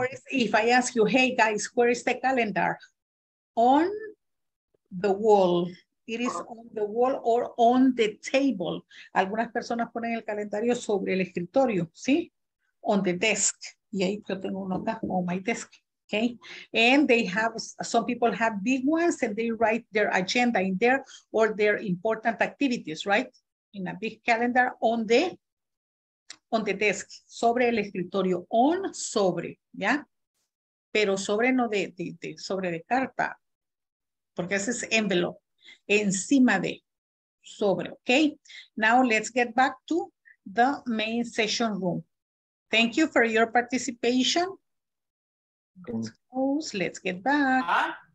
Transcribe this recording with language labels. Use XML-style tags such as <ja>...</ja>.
<en>If I ask you, hey guys, where is the calendar? On the wall. It is on the wall or on the table.</en> <es>Algunas personas ponen el calendario sobre el escritorio, ¿sí?</es> <en>On the desk.</en> <es>Y ahí yo tengo uno acá,</es> <en>on my desk. Okay. And they have, some people have big ones and they write their agenda in there or their important activities, right? In a big calendar on the desk,</en> <es>sobre el escritorio,</es> <en>on,</en> <es>sobre, ¿ya? Pero sobre no de sobre de carta, porque ese es envelope, encima de, sobre, okay?</es> <en>Now let's get back to the main session room. Thank you for your participation. Let's close, let's get back.</en>